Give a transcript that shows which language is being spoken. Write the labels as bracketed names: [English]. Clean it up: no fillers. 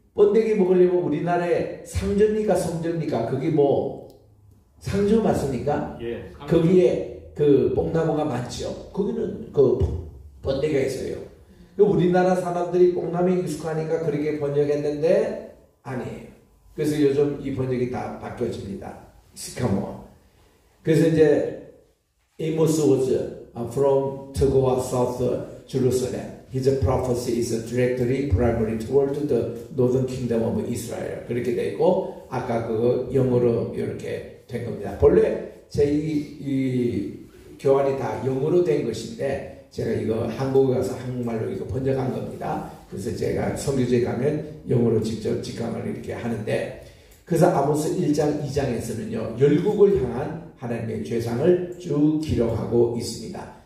[Korean] 번데기 먹으려면 우리나라에 상전니까 송전니까 거기 뭐 상주 맞습니까? 예. 거기에 그 뽕나무가 많죠. 거기는 그 번데기가 있어요. 우리나라 사람들이 뽕나무에 익숙하니까 그렇게 번역했는데 아니에요. 그래서 요즘 이 번역이 다 바뀌어집니다. 시카모. 그래서 이제 [English] Amos was from Togoa South Jerusalem. His prophecy is directly primary toward the Northern Kingdom of Israel. [Korean] 그렇게 돼 있고 아까 그 영어로 이렇게 된 겁니다. 본래 제 이 교환이 다 영어로 된 것인데 제가 이거 한국에 가서 한국말로 이거 번역한 겁니다. 그래서 제가 선교지에 가면 영어로 직접 직강을 이렇게 하는데 그래서 아모스 1장 2장에서는요 열국을 향한 하나님의 죄상을 쭉 기록하고 있습니다.